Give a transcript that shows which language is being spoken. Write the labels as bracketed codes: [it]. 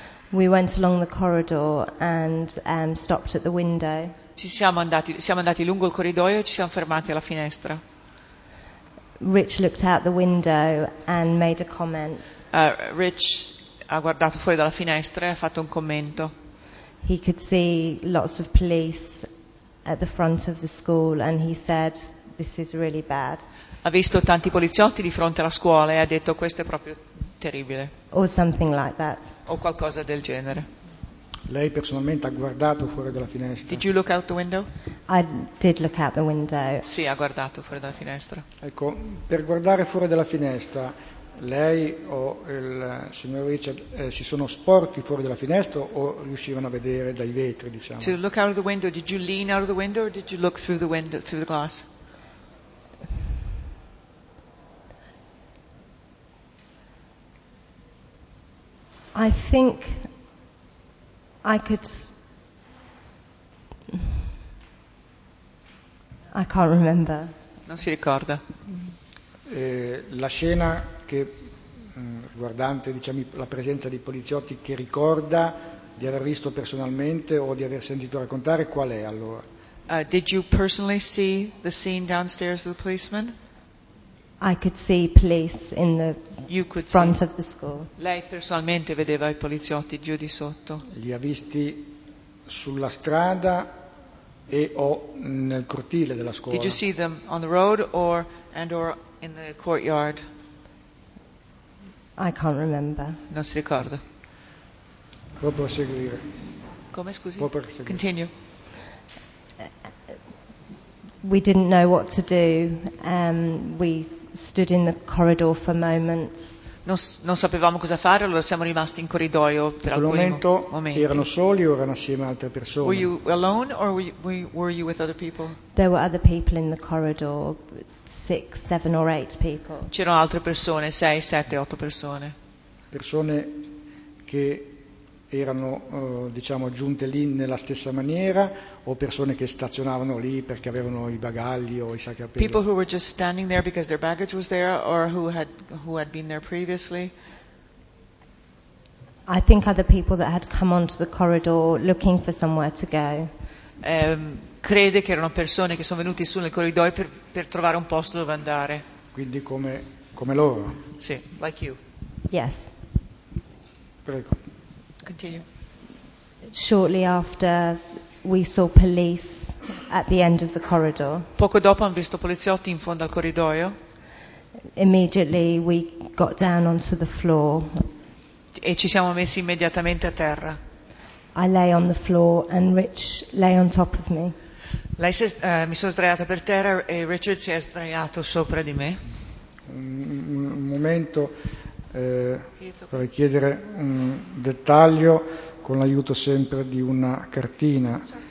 [en] We went along the corridor and stopped at the window. [it] Siamo andati lungo il corridoio e ci siamo fermati alla finestra. [en] Rich looked out the window and made a comment. [it] Rich ha guardato fuori dalla finestra e ha fatto un commento. [en] He could see lots of police at the front of the school and he said, "This is really bad." [it] Ha visto tanti poliziotti di fronte alla scuola e ha detto, "Questo è proprio terribile." [en] Or something like that. [it] O qualcosa del genere. Lei personalmente ha guardato fuori dalla finestra? [en] Did you look out the window? I did look out the window. [it] Sì, ha guardato fuori dalla finestra. Ecco, per guardare fuori dalla finestra, lei o il signor Richard si sono sporti fuori dalla finestra o riuscivano a vedere dai vetri, diciamo? [en] To look out of the window, did you lean out of the window or did you look through the window, through the glass? I think I could. I can't remember. [it] Non si ricorda. La scena che riguardante diciamo, la presenza di poliziotti che ricorda di aver visto personalmente o di aver sentito raccontare, qual è allora? [en] Did you personally see the scene downstairs of the policeman? I could see police in the front of the school. [it] Lei personalmente vedeva i poliziotti giù di sotto? Li ha visti sulla strada e o nel cortile della scuola? [en] Did you see them on the road or and or in the courtyard? I can't remember. [it] Non si ricorda. Può proseguire. Come scusi? Può proseguire. [en] Continue. We didn't know what to do. We stood in the corridor for moments. [it] Non sapevamo cosa fare, allora siamo rimasti in corridoio per alcuni momenti. In quel momento erano soli o erano assieme a altre persone? [en] Were you alone or were you with other people? There were other people in the corridor, 6, 7 or 8 people. [it] C'erano altre persone, 6, 7, 8 persone. Persone che erano diciamo giunte lì nella stessa maniera o persone che stazionavano lì perché avevano i bagagli o i sacchi a pelo? [en] People who were just standing there because their baggage was there or who had been there previously. I think other people that had come onto the corridor looking for somewhere to go. [it] Crede che erano persone che sono venuti su nel corridoio per trovare un posto dove andare. Quindi come loro? Sì, [en] like you. Yes. [it] Prego. [en] Continue. Shortly after we saw police at the end of the corridor. [it] Poco dopo hanno visto poliziotti in fondo al corridoio. [en] Immediately we got down onto the floor. [it] E ci siamo messi immediatamente a terra. [en] I lay on the floor and Rich lay on top of me. [it] Lei mi sono sdraiata per terra e Richard si è sdraiato sopra di me. Un momento. Vorrei chiedere un dettaglio con l'aiuto sempre di una cartina.